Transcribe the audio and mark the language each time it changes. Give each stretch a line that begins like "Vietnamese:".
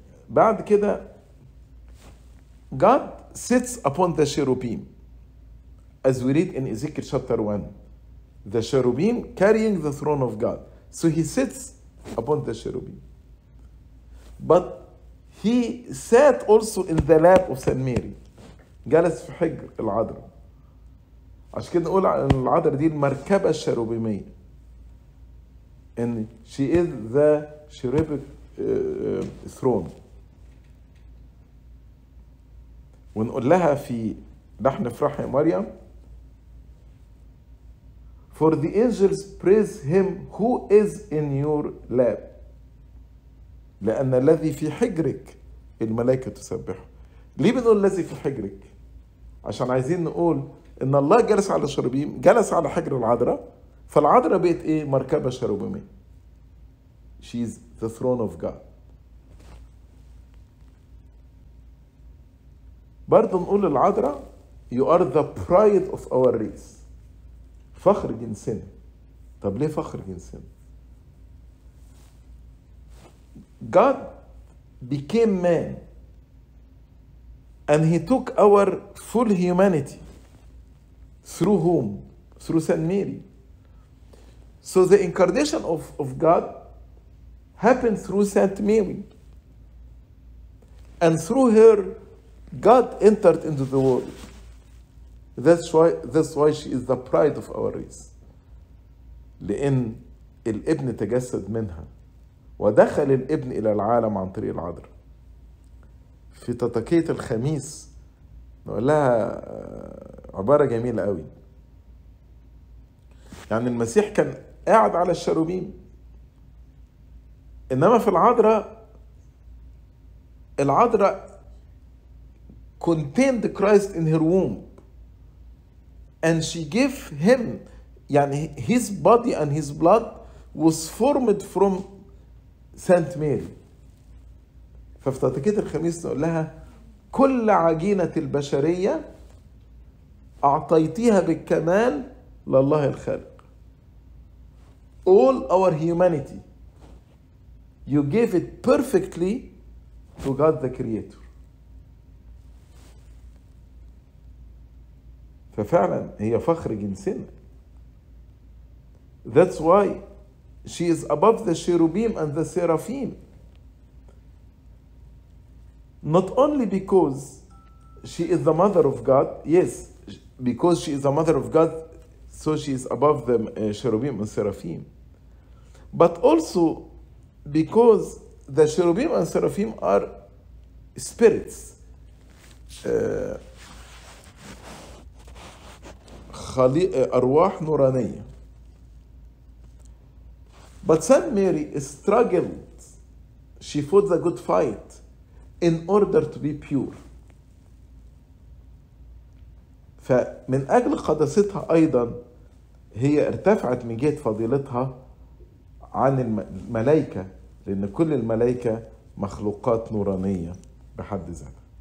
Arabic: بعد كده
English: God sits upon the cherubim. As we read in Ezekiel chapter 1. The cherubim carrying the throne of God. So he sits upon the cherubim. But he sat also in the lap of St.
Arabic: Mary. جلس في حجر العذراء. عشان كده نقول ان العذراء دي المركبة الشيروبيمية.
English: And she is the cherubic throne.
Arabic: ونقول لها في لحن افراح يا مريم.
English: For the angels praise him who is in your lap.
Arabic: لأن الذي في حجرك الملائكة تسبحه، ليه بنقول الذي في حجرك؟ عشان عايزين نقول ان الله جلس على شربيم، جلس على حجر العذراء، فالعذراء بقت ايه؟ مركبة شربيمية.
English: She is the throne of God.
Arabic: برضو نقول العذراء
English: You are the pride of our race.
Arabic: فخر جنسنا. طب ليه فخر جنسنا؟
English: God became man and he took our full humanity through whom? Through St. Mary. So the incarnation of God happened through St. Mary. And through her, God entered into the world. That's why she is the pride of our race.
Arabic: لأن الابن تجسد منها ودخل الابن إلى العالم عن طريق العذراء. في تطكية الخميس نقول لها عبارة جميلة قوي. يعني المسيح كان قاعد على الشروبيم، إنما في العذراء العذراء
English: contained Christ in her womb and she gave him
Arabic: يعني
English: his body and his blood was formed from Saint Mary.
Arabic: ففي تطكية الخميس نقول لها كل عجينة البشرية أعطيتيها بالكمال لله الخالق.
English: All our humanity you gave it perfectly to God the Creator.
Arabic: ففعلا هي فخر جنسنا.
English: That's why she is above the cherubim and the seraphim. Not only because she is the mother of God, yes, because she is the mother of God, so she is above the cherubim and seraphim. But also because the cherubim and seraphim are spirits.
Arabic: أرواح نورانية.
English: But Saint Mary struggled, she fought the good fight in order to be pure.
Arabic: فمن أجل قدستها أيضا هي ارتفعت من جهة فضيلتها عن الملائكة، لأن كل الملائكة مخلوقات نورانية بحد ذاتها.